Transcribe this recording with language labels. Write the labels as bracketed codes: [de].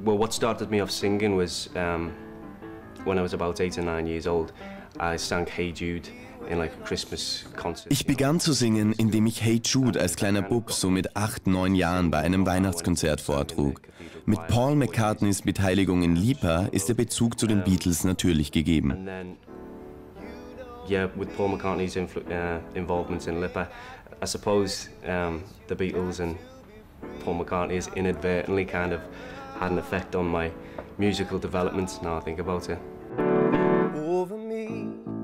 [en] Started me off singing was when I was about 8 or 9 years old. I sang Hey Jude in like a Christmas concert. [de] Ich begann zu singen, indem ich Hey Jude als kleiner Bub so mit 8, 9 Jahren bei einem Weihnachtskonzert vortrug. Mit Paul McCartneys Beteiligung in LIPA ist der Bezug zu den Beatles natürlich gegeben. [en] yeah, with Paul McCartney's involvement in Lipper, I suppose the Beatles and Paul McCartney has inadvertently kind of had an effect on my musical development, now I think about it. Over me.